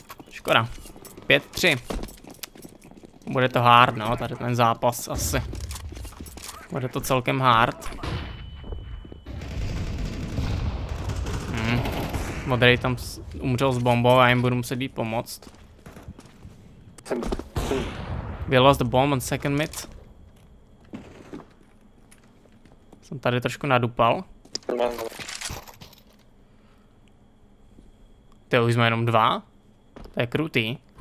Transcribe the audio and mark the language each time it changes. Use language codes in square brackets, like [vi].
[cs] Škoda. 5-3. Bude to hard, no, tady ten zápas asi. Bude to celkem hard. Modrej tam umřel s bombou a jim budu muset jít pomoct. [en] We lost the bomb on second mid. [cs] Jsem tady trošku nadupal. Ty už jsme jenom dva. To je krutý.